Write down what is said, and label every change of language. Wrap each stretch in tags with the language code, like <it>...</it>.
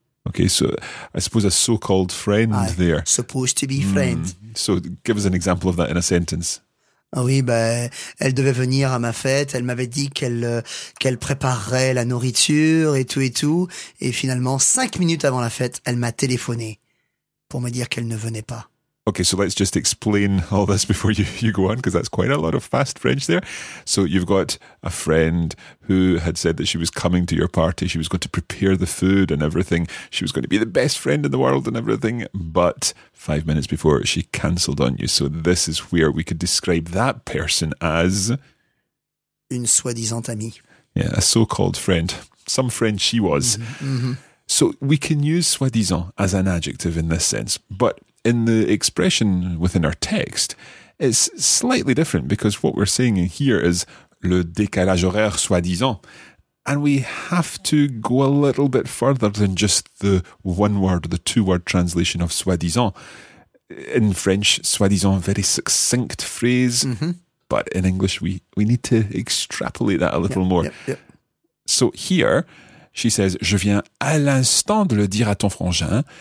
<en>Okay, so I suppose a so-called friend there. Supposed to be friend. So give us an example of that in a sentence.</en> <fr>Oui, elle devait venir à ma fête. Elle m'avait dit qu'elle préparerait la nourriture et tout et tout. Et finalement, 5 minutes avant la fête, elle m'a téléphoné pour me dire qu'elle ne venait pas.</fr> <en>Okay, so let's just explain all this before you go on, because that's quite a lot of fast French there. So you've got a friend who had said that she was coming to your party, she was going to prepare the food and everything, she was going to be the best friend in the world and everything, but 5 minutes before she cancelled on you. So this is where we could describe that person as...</en> <fr>Une soi-disant amie.</fr> <en>Yeah, a so-called friend. Some friend she was. Mm-hmm. So we can use soi-disant as an adjective in this sense, but in the expression within our text, it's slightly different, because what we're saying here is</en> <fr>le décalage horaire soi-disant.</fr> <en>And we have to go a little bit further than just the one word, the two word translation of soi-disant. In French, soi-disant, very succinct phrase. Mm-hmm. But in English, we need to extrapolate that a little more. So here, she says,</en> <fr>je viens à l'instant de le dire à ton frangin.</fr>